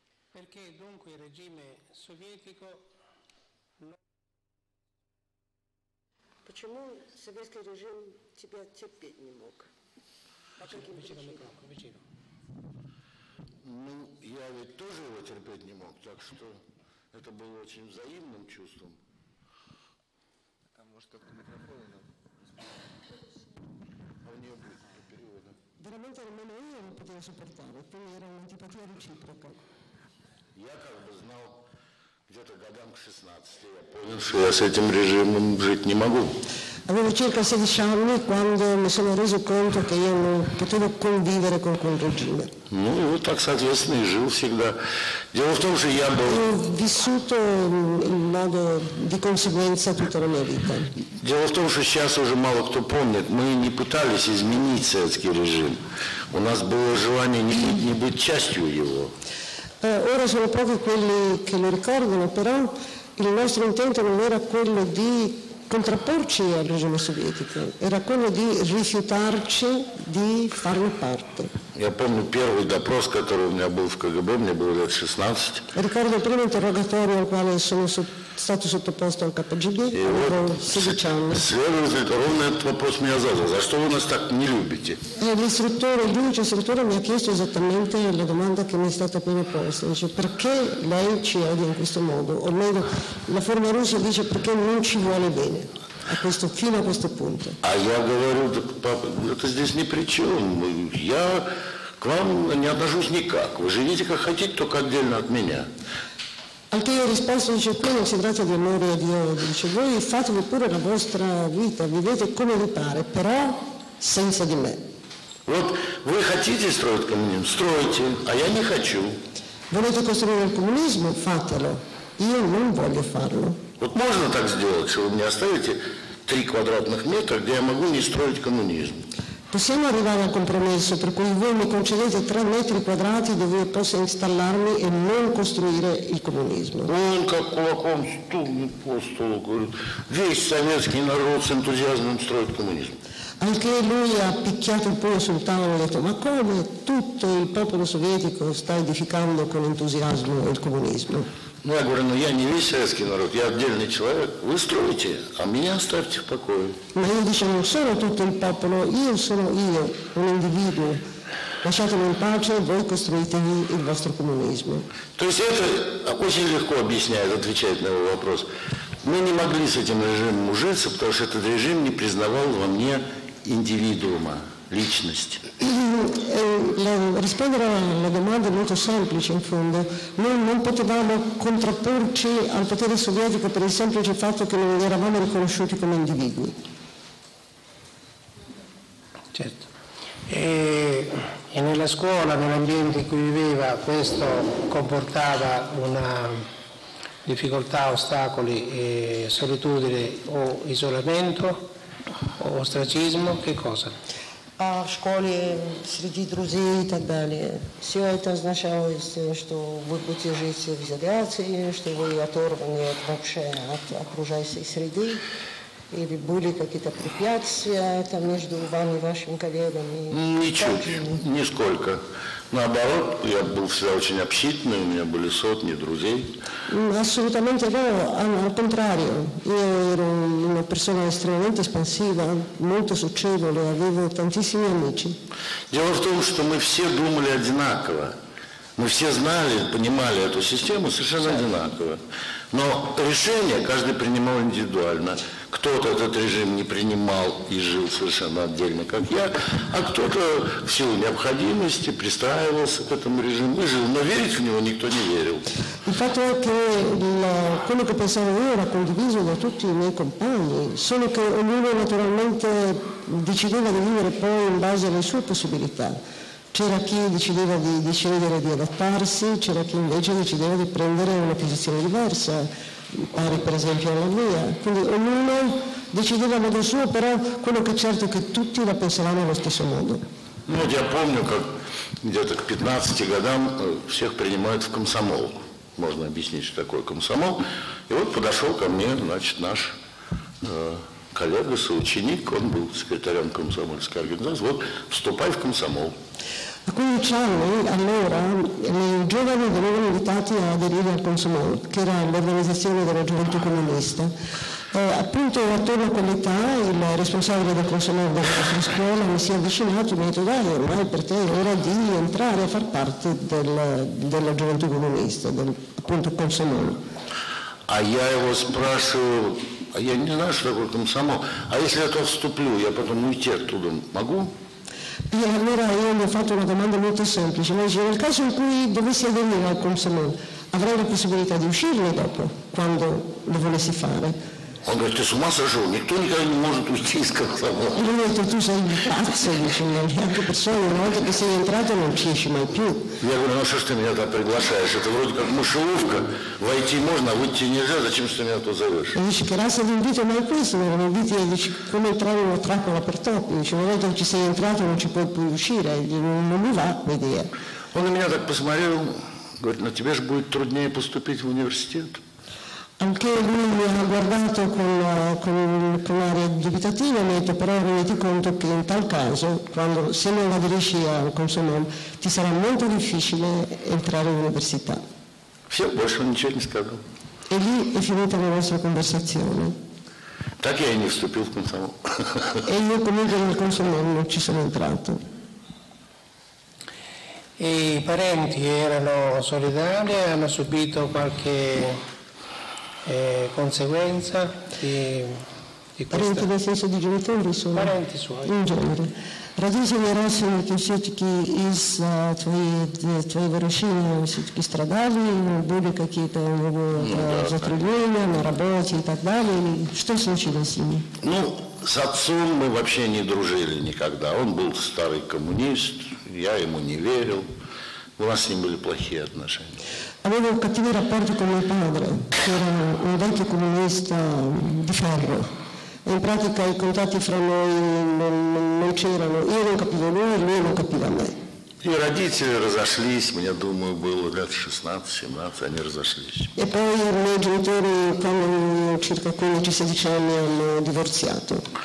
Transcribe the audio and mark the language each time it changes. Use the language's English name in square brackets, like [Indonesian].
[Italian] Perché dunque il regime sovietico non... Perché il sovietico regime ti ha [Russian] терпеть не мог? [Italian] Vicino al microfono, vicino. [Russian] Ну, я ведь тоже его терпеть не мог, так что это было очень взаимным чувством. А может, как-то микрофон нам? А у нее будет для перевода. [Italian] Veramente nemmeno io non potevo sopportare, quindi era un'antipatia reciproca. [Russian] Я как бы знал, где-то годам к 16 я понял, что я с этим режимом жить не могу. [Italian] Avevo circa 16 anni quando mi sono reso conto che io non potevo convivere con quel regime. [Russian] Ну и вот так, соответственно, и жил всегда. Дело в том, что я был... [Italian] Ho vissuto in modo di conseguenza tutta la mia vita. [Russian] Дело в том, что сейчас уже мало кто помнит, мы не пытались изменить советский режим. У нас было желание не быть частью его. [Italian] Ora sono pochi quelli che lo ricordano, però il nostro intento non era quello di contrapporci al regime sovietico, era quello di rifiutarci di farne parte. [Russian] Я помню первый допрос, который у меня был в КГБ, мне было лет 16. [Italian] Ricordo il primo interrogatorio al quale sono stato sottoposto al КГБ, avevo 16 anni. [Russian] Следователь ровно этот вопрос меня задал, за что вы нас так не любите? [Italian] L'istruttore mi ha chiesto esattamente la domanda che mi è stata appena posta, dice perché lei ci odia in questo modo, o meglio la forma russa dice perché non ci vuole bene. A questo, fino a questo punto. [Russian] А я говорю, папа, это здесь ни при чем. Я к вам не отношусь никак. Вы живите как хотите, только отдельно от меня. [Italian] Anche io ho risposto, dice, qui non si tratta di amore e di odio. Dice, voi fatevi pure la vostra vita, vivete come vi pare, però senza di me. [Russian] Вот вы хотите строить коммунизм? Стройте, а я не хочу. [Italian] Volete costruire il comunismo? Fatelo. Io non voglio farlo. [Russian] Вот можно так сделать, что вы мне оставите 3 квадратных метра, где я могу не строить коммунизм. [Italian] Possiamo arrivare al compromesso per cui voi mi concedete 3 metri quadrati dove io possa installarmi e non costruire il comunismo. [Russian] Он как кулаком стукнул по столу, говорит, весь советский народ с энтузиазмом строит коммунизм. [Italian] Anche lui ha picchiato un po' sul tavolo e ha detto, ma come tutto il popolo sovietico sta edificando con entusiasmo il comunismo? [Russian] Ну, я говорю, ну я не весь советский народ, я отдельный человек. Вы строите, а меня оставьте в покое. [Italian] Ma io dicevo, non sono tutto il popolo, io sono io, un individuo. Lasciatemi in pace, voi costruite il vostro comunismo. [Russian] То есть это очень легко объясняет, отвечает на его вопрос. Мы не могли с этим режимом ужиться, потому что этот режим не признавал во мне индивидуума. Личность. [Italian] Rispondere alla domanda è molto semplice in fondo. Noi non potevamo contrapporci al potere sovietico per il semplice fatto che non eravamo riconosciuti come individui. Certo. E nella scuola, nell'ambiente in cui viveva, questo comportava una difficoltà, ostacoli, solitudine o isolamento o ostracismo, che cosa? [Russian] А в школе среди друзей и так далее. Все это означало, что вы будете жить в изоляции, что вы оторваны от, вообще от окружающей среды. Или были какие-то препятствия там, между вами и вашими коллегами? Ничуть, нисколько. Наоборот, я был всегда очень общительный, у меня были сотни друзей. Абсолютно верно, [Italian] al contrario. Я era una persona estremamente espansiva, molto socievole, avevo tantissimi amici. [Russian] Дело в том, что мы все думали одинаково. Мы все знали, понимали эту систему совершенно одинаково. Но решение каждый принимал индивидуально. Кто-то этот режим не принимал и жил совершенно отдельно, как я, а кто-то в силу необходимости пристраивался к этому режиму и жил. Но верить в него никто не верил. [Italian] Il fatto è che quello che pensavo io era condiviso da tutti i miei compagni, solo che ognuno naturalmente decideva di vivere poi in base alle sue possibilità. C'era chi decideva di decidere di adattarsi, c'era chi invece decideva di prendere una posizione diversa, pari per esempio alla mia. Quindi ognuno decideva modo suo, però quello che è certo è che tutti la pensavano allo stesso modo. [Russian] Ну, я помню, как где-то к 15 годам всех принимают в комсомол. Можно объяснить, что такое комсомол. И вот подошел ко мне, значит, наш коллега, соученик, он был секретарем комсомольской организации, вот, вступай в комсомол. [Italian] A 15 anni, allora, i giovani venivano invitati a aderire al Комсомол, che era l'organizzazione della gioventù comunista. Appunto attorno a quell'età il responsabile del Комсомол della nostra scuola mi si è avvicinato e mi ha detto dai, ormai per te è ora di entrare a far parte della gioventù comunista, del, appunto Комсомол. [Russian] А я его спрашиваю, а я не знаю, что такое Комсомол, а если я то вступлю, я потом уйти оттуда могу? [Italian] E allora io gli ho fatto una domanda molto semplice, mi dice, nel caso in cui dovessi aderire al Комсомол, avrei la possibilità di uscirne dopo, quando lo volessi fare? Ho detto, su massa ragione, [Ukrainian] ніхто ніколи не може уйти з Комсомола. [Italian] E lui mi ha detto, tu sei pazzo, dice, ma neanche persona, una volta che sei entrato non ci esci mai più. [Russian] Я говорю, ну что ж ты меня так приглашаешь, это вроде как мышеловка, войти можно, а выйти нельзя, зачем ж ты меня тут зовешь? [Italian] E dice, che razza di invito mai questo, ma un invito è come entrare in una trappola per topi, dice, una volta che ci sei entrato non ci puoi più uscire, non mi va l'idea. [Russian] Он на меня так посмотрел, говорит, ну тебе ж будет труднее поступить в университет. [Italian] Anche lui mi ha guardato con aria dubitativa e mi ha detto però renditi conto che in tal caso, quando, se non aderisci al Комсомол, ti sarà molto difficile entrare in università. [Russian] Все, больше ничего не сказал. [Italian] E lì è finita la nostra conversazione. [Russian] Так я и не вступил в Комсомол. [Italian] E io comunque nel Комсомол non ci sono entrato. E i parenti erano solidali, hanno subito qualche... conseguenza di questa... Parenti nel senso di genitori sono... Parenti suoi. In genere. Radice di Rossini, che siete chi is tuoi verosini, siete chi stradali, non buono che chiede un nuovo затруднение, non работе и так далее. [Russian] Что случилось с ними? Ну, с отцом мы вообще не дружили никогда. Он был старый коммунист, я ему не верил. У нас с ним были плохие отношения. [Italian] Avevo cattivi rapporti con mio padre, che era un vecchio comunista di ferro. E in pratica i contatti fra noi non c'erano. Io non capivo lui, lui non capiva me. [Russian] I родители разошлись, мне думаю, было лет 16-17, они разошлись. [Italian] E poi i miei genitori, quando avevo circa 15-16 anni, hanno divorziato.